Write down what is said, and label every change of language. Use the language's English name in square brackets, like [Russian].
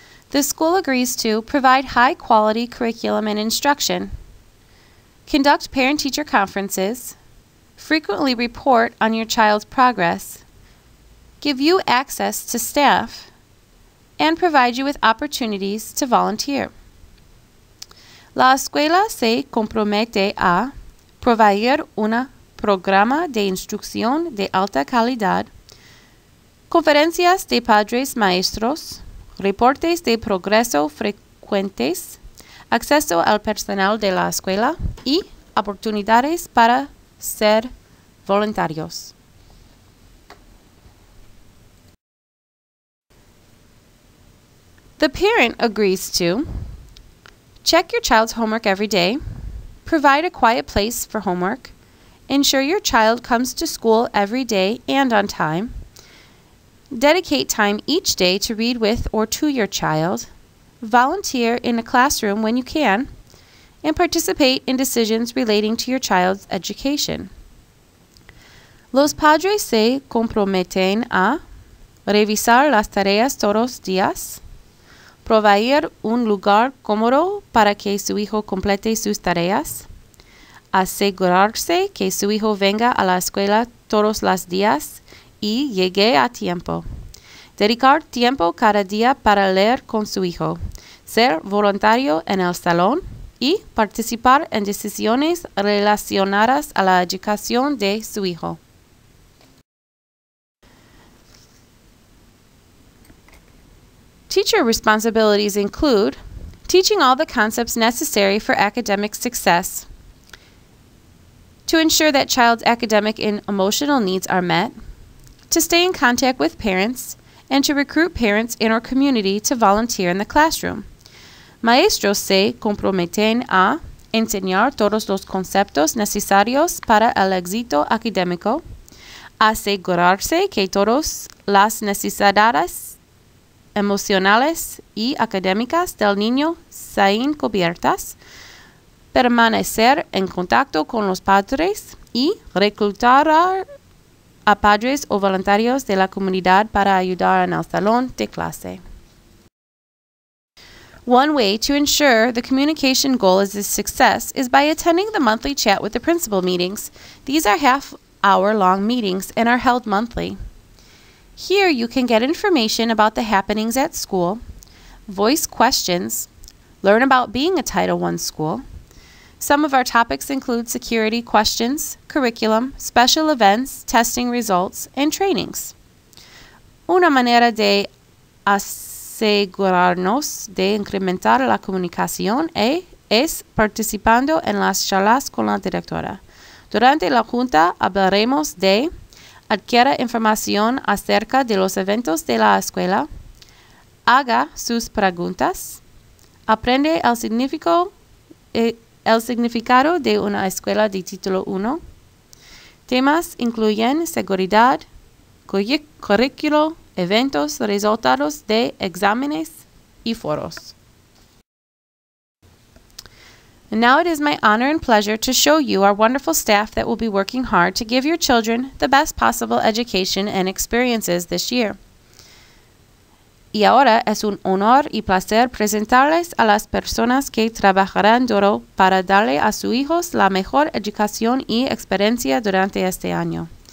[English] The school agrees to provide high-quality curriculum and instruction, conduct parent-teacher conferences, frequently report on your child's progress, give you access to staff, and provide you with opportunities to volunteer. [Spanish] La escuela se compromete a proveer un programa de instrucción de alta calidad, conferencias de padres maestros, reportes de progreso frecuentes, acceso al personal de la escuela y oportunidades para ser voluntarios. [English] The parent agrees to check your child's homework every day, provide a quiet place for homework, ensure your child comes to school every day and on time, dedicate time each day to read with or to your child, volunteer in a classroom when you can, and participate in decisions relating to your child's education. [Spanish] Los padres se comprometen a revisar las tareas todos días, proveer un lugar cómodo para que su hijo complete sus tareas, asegurarse que su hijo venga a la escuela todos los días y llegue a tiempo. Dedicar tiempo cada día para leer con su hijo. Ser voluntario en el salón y participar en decisiones relacionadas a la educación de su hijo. [English] Teacher responsibilities include teaching all the concepts necessary for academic success, to ensure that child's academic and emotional needs are met, to stay in contact with parents, and to recruit parents in our community to volunteer in the classroom. [Spanish] Maestros se comprometen a enseñar todos los conceptos necesarios para el éxito académico, asegurarse que todas las necesidades emocionales y académicas del niño sean cubiertas, permanecer en contacto con los padres y reclutar a padres o voluntarios de la comunidad para ayudar en el salón de clase. [English] One way to ensure the communication goal is a success is by attending the monthly chat with the principal meetings. These are half-hour long meetings and are held monthly. Here you can get information about the happenings at school, voice questions, learn about being a Title I school. Some of our topics include security questions, curriculum, special events, testing results, and trainings. [Spanish] Una manera de asegurarnos de incrementar la comunicación es es participando en las charlas con la directora. Durante la junta hablaremos de adquiera información acerca de los eventos de la escuela, haga sus preguntas, aprende el significado de una escuela de título 1. Temas incluyen seguridad, currículo, eventos, resultados de exámenes y foros. [English] And now it is my honor and pleasure to show you our wonderful staff that will be working hard to give your children the best possible education and experiences this year. [Spanish] Y ahora es un honor y placer presentarles a las personas que trabajarán duro para darle a sus hijos la mejor educación y experiencia durante este año.